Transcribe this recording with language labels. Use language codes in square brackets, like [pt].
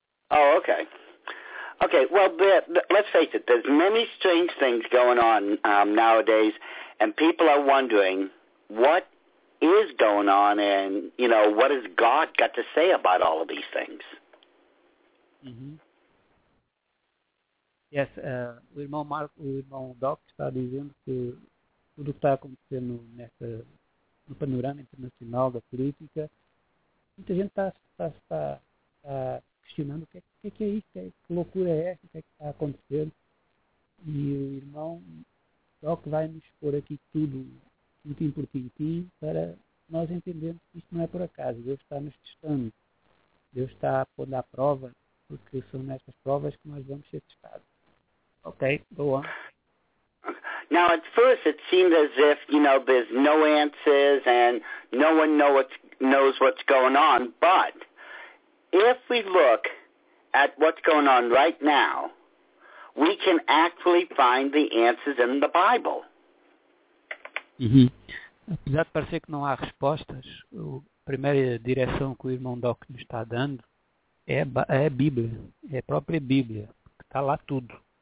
[en] Oh, okay. Okay, well, let's face it. There's many strange things going on nowadays, and people are wondering what is going on and, you know, what has God got to say about all of these things? Mm-hmm. Yes, [pt] o irmão Marco, o irmão Doc está dizendo que tudo o que está acontecendo no panorama internacional da política, muita gente está questionando o que é isso, que loucura é essa, o que é que está acontecendo. E o irmão Doc vai nos pôr aqui tudo, tintim por tintim, para nós entendermos que isto não é por acaso, Deus está nos testando, Deus está a pôr à prova, porque são nestas provas que nós vamos ser testados. [en] Okay, go on. Now, at first, it seemed as if, you know, there's no answers and no one knows what's going on. But if we look at what's going on right now, we can actually find the answers in the Bible. Mm-hmm. [pt] Apesar de parecer que não há respostas, a primeira direção que o irmão Doc me está dando é a Bíblia, é a própria Bíblia, que está lá tudo.